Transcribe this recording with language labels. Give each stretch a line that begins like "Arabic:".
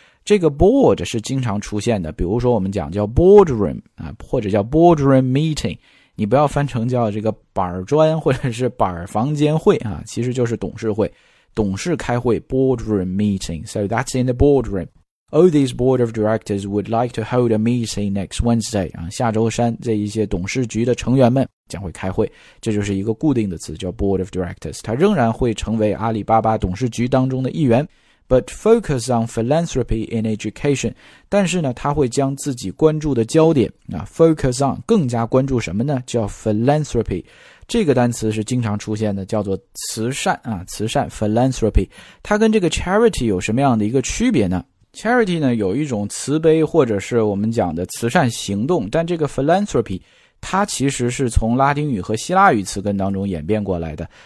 Chinese: 这个 board 是经常出现的，比如说我们讲叫 boardroom 啊，或者叫 boardroom meeting, 你不要翻成叫这个板砖或者是板房间会啊，其实就是董事会，董事开会 boardroom meeting,
English: so that's in the boardroom. All these board of directors would like to hold a meeting next Wednesday,
Chinese: 啊，下周三这一些董事局的成员们将会开会，这就是一个固定的词叫 board of directors, 他仍然会成为阿里巴巴董事局当中的一员。
English: But focus on philanthropy in education.
Chinese: 但是呢他会将自己关注的焦点啊 ,
English: focus on,
Chinese: 更加关注什么呢，叫 philanthropy。这个单词是经常出现的，叫做慈善啊，慈善 philanthropy。它跟这个 charity 有什么样的一个区别呢？Charity 呢有一种慈悲或者是我们讲的慈善行动，但这个 philanthropy, 它其实是从拉丁语和希腊语词根当中演变过来的。